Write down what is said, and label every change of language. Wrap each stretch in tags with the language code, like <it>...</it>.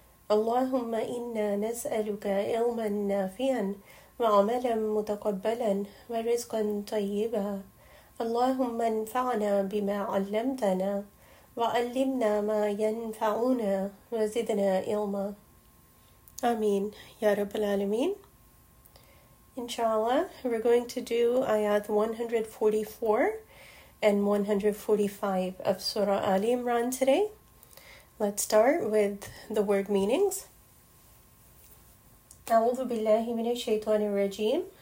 <ar>اللهم إنا نسألك علما نافعا وعملا متقبلا ورزقا طيبا اللهم انفعنا بما علمتنا وعلمنا ما ينفعنا وزدنا علما آمين يا رب العالمين.</ar> <en>Inshallah, we're going to do ayat 144 and 145 of Surah Ali Imran today. Let's start with the word meanings.</en> <ar>أعوذ بالله من الشيطان الرجيم.</ar>